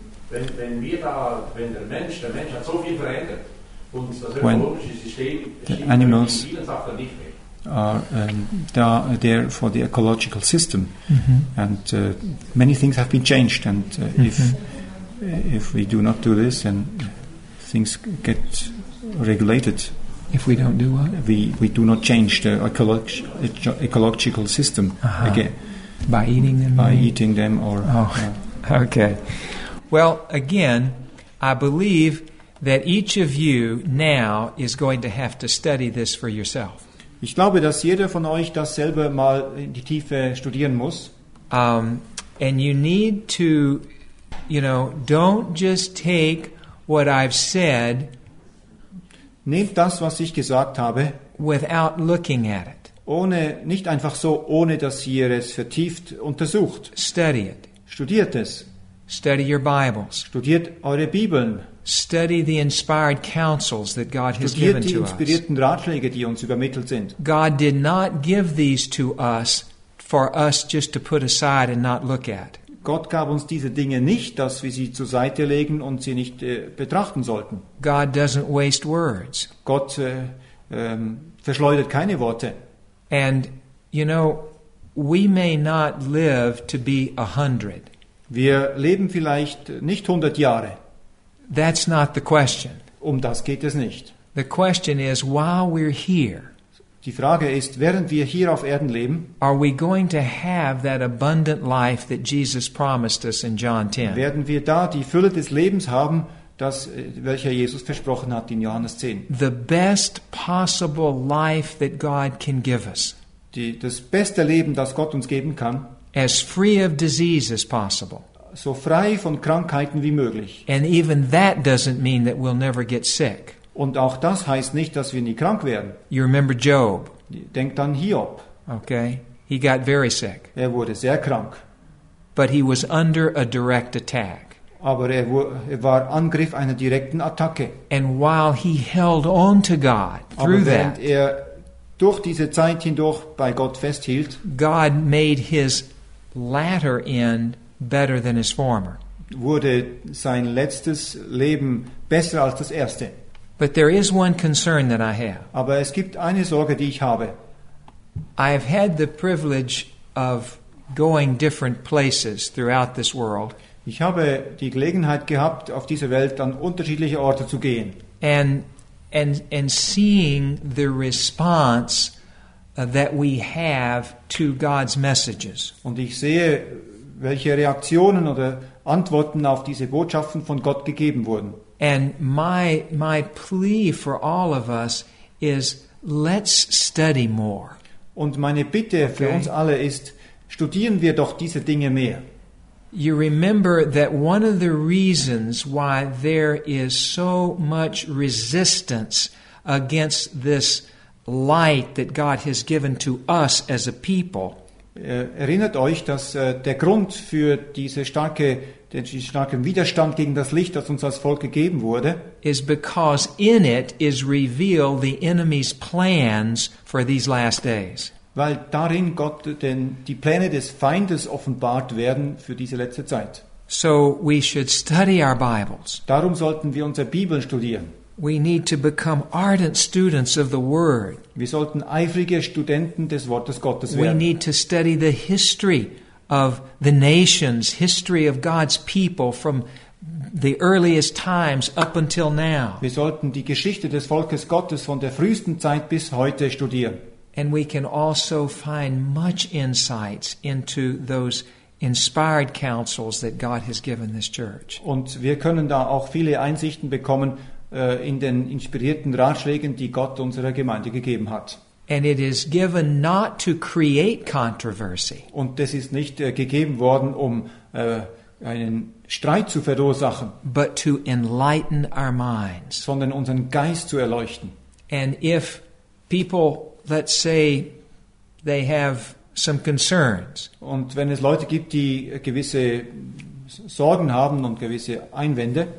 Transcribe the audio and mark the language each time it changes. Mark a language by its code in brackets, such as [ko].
[de] Wenn der Mensch hat so viel verändert und das ökologische System stimmt in vielen Sachen nicht mehr. [en] Are there for the ecological system, mm-hmm. and many things have been changed. And if we do not do this, then things get regulated. If we don't do what? We do not change the ecological system again. By eating them. Okay. Well, again, I believe that each of you now is going to have to study this for yourself. [de] Ich glaube, dass jeder von euch das selber mal in die Tiefe studieren muss. [en] And you need to, you know, don't just take what I've said. [de] Nehmt das, was ich gesagt habe, [en] without looking at it. [de] Nicht einfach so, ohne dass ihr es vertieft untersucht. [en] Study it. [de] Studiert es. [en] Study your Bibles. [de] Studiert eure Bibeln. [en] Study the inspired counsels that God has given to us. [de] Studiert die inspirierten Ratschläge, die uns übermittelt sind. [en] God did not give these to us for us just to put aside and not look at. [de] Gott gab uns diese Dinge nicht, dass wir sie zur Seite legen und sie nicht betrachten sollten. [en] God doesn't waste words. [de] Gott verschleudert keine Worte. [en] And you know, we may not live to be 100. [de] Wir leben vielleicht nicht 100 Jahre. [en] That's not the question. [de] Um das geht es nicht. [en] The question is, while we're here, [de] die Frage ist, während wir hier auf Erden leben, [en] are we going to have that abundant life that Jesus promised us in John 10? [de] Werden wir da die Fülle des Lebens haben, welcher Jesus versprochen hat in Johannes 10? [en] The best possible life that God can give us. [de] Das beste Leben, das Gott uns geben kann. [en] As free of disease as possible. [de] So frei von Krankheiten wie möglich. [en] And even that doesn't mean that we'll never get sick. [de] Und auch das heißt nicht, dass wir nie krank werden. [en] You remember Job? [de] Denkt an Hiob. [en] Okay. He got very sick. [de] Er wurde sehr krank. [en] But he was under a direct attack. [de] Aber er war Angriff einer direkten Attacke. [en] And while he held on to God through that, [de] er durch diese Zeit hindurch bei Gott festhielt, [en] God made his latter end better than his former. [de] Wurde sein letztes Leben besser als das erste. [en] But there is one concern that I have. [de] Aber es gibt eine Sorge, die ich habe. [en] I have had the privilege of going different places throughout this world. [de] Ich habe die Gelegenheit gehabt, auf dieser Welt an unterschiedliche Orte zu gehen. [en] And seeing the response that we have to God's messages. [de] Und ich sehe, welche Reaktionen oder Antworten auf diese Botschaften von Gott gegeben wurden. [en] And my plea for all of us is, let's study more. [de] Und meine Bitte für uns alle ist, studieren wir doch diese Dinge mehr. [en] You remember that one of the reasons why there is so much resistance against this light that God has given to us as a people. [de] Erinnert euch, dass der Grund für diesen starken Widerstand gegen das Licht, das uns als Volk gegeben wurde, [en] is because in it is revealed the enemy's plans for these last days. [de] Weil darin Gott denn die Pläne des Feindes offenbart werden für diese letzte Zeit. [en] So we should study our Bibles. [de] Darum sollten wir unsere Bibeln studieren. [en] We need to become ardent students of the Word. [de] Wir sollten eifrige Studenten des Wortes Gottes werden. [en] We need to study the history of the nations, history of God's people from the earliest times up until now. [de] Wir sollten die Geschichte des Volkes Gottes von der frühesten Zeit bis heute studieren. [en] And we can also find much insights into those inspired counsels that God has given this church. [de] Und wir können da auch viele Einsichten bekommen in den inspirierten Ratschlägen, die Gott unserer Gemeinde gegeben hat. [en] And it is given not to create controversy. [de] Und das ist nicht gegeben worden, um einen Streit zu verursachen, [en] but to enlighten our minds. [de] Sondern unseren Geist zu erleuchten. [en] And if people, let's say, they have some concerns. [de] Und wenn es Leute gibt, die gewisse Sorgen haben und gewisse Einwände,